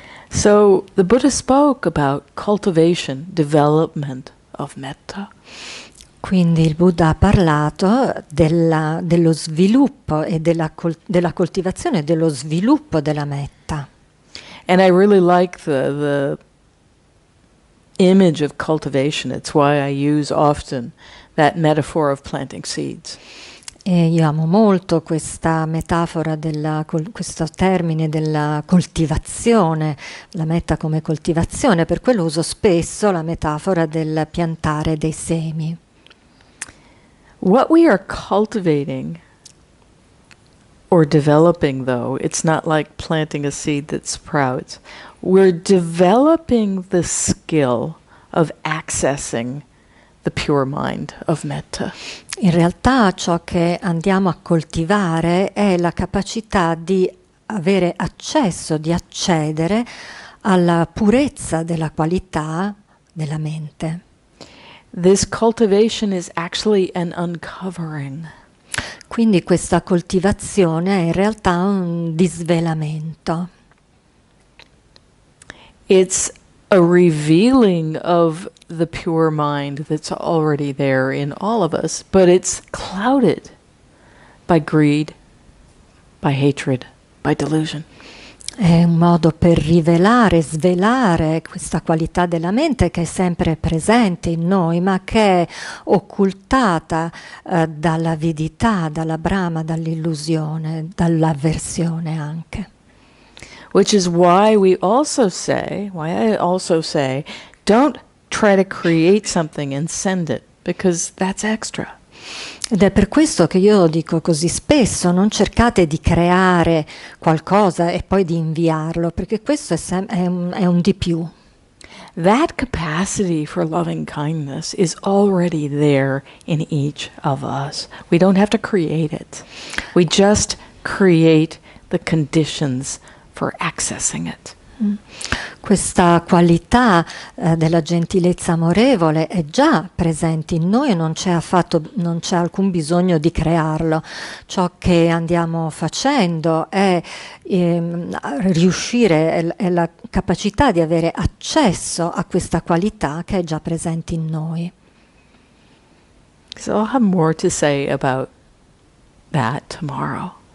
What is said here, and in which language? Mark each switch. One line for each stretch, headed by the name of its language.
English: So the Buddha spoke about cultivation, development of metta.
Italian: Quindi il Buddha ha parlato dello sviluppo e della coltivazione e dello sviluppo della metta.
English: And I really like the image of cultivation. It's why I use often that metaphor of planting seeds.
Italian: E io amo molto questa metafora, questo termine della coltivazione, la metta come coltivazione, per quello uso spesso la metafora del piantare dei semi.
English: What we are cultivating or developing, though, it's not like planting a seed that sprouts. We're developing the skill of accessing the pure mind of metta.
Italian: In realtà ciò che andiamo a coltivare è la capacità di avere accesso, di accedere alla purezza della qualità della mente.
English: This cultivation is actually an uncovering.
Italian: Quindi questa coltivazione è in realtà un disvelamento.
English: It's a revealing of the pure mind that's already there in all of us, but it's clouded by greed, by hatred, by delusion.
Italian: È un modo per rivelare, svelare questa qualità della mente che è sempre presente in noi, ma che è occultata dall'avidità, dalla brama, dall'illusione, dall'avversione anche.
English: Which is why we also say, why I also say, don't try to create something and send it, because that's extra.
Italian: Ed è per questo che io dico così spesso, non cercate di creare qualcosa e poi di inviarlo, perché questo è un di più.
English: That capacity for loving kindness is already there in each of us. We don't have to create it. We just create the conditions for accessing it.
Italian: Questa qualità della gentilezza amorevole è già presente in noi e non c'è alcun bisogno di crearlo. Ciò che andiamo facendo è riuscire, è la capacità di avere accesso a questa qualità che è già presente in noi.
English: So I'll have more to say about that tomorrow.